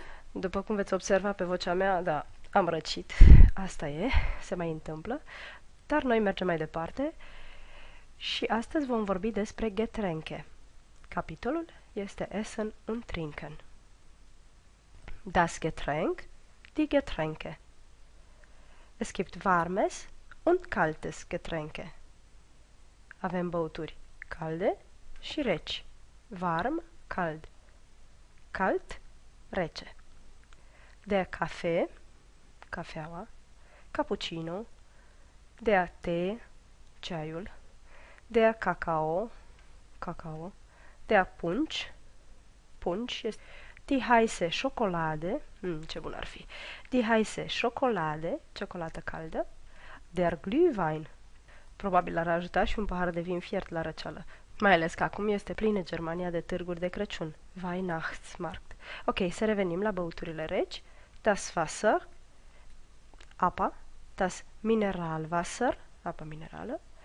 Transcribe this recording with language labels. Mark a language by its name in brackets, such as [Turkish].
[Romanian] După cum veți observa pe vocea mea, da, am răcit. Asta e, se mai întâmplă. Dar noi mergem mai departe și astăzi vom vorbi despre Getränke. Capitolul este [German] Essen und Trinken. Das Getränk, die Getränke. Es gibt warmes und kaltes Getränke. [Romanian] Avem băuturi calde și reci. [German] Warm, cald. Kalt, rece. Der Kaffee, cafeaua. Cappuccino. Der Tee, ceaiul. Der Kakao, cacao. Der Punch, punch. Die heiße Schokolade, [Romanian] ce bun ar fi. [German] Die heiße Schokolade, [Romanian] ciocolată caldă. [German] Der Glühwein. [Romanian] Probabil ar ajuta și un pahar de vin fiert la răceală. Mai ales că acum este plină Germania de târguri de Crăciun. Weihnachtsmarkt. Ok, să revenim la băuturile reci. [German] Das Wasser, apa. Das Mineralwasser, [Romanian] apă minerală.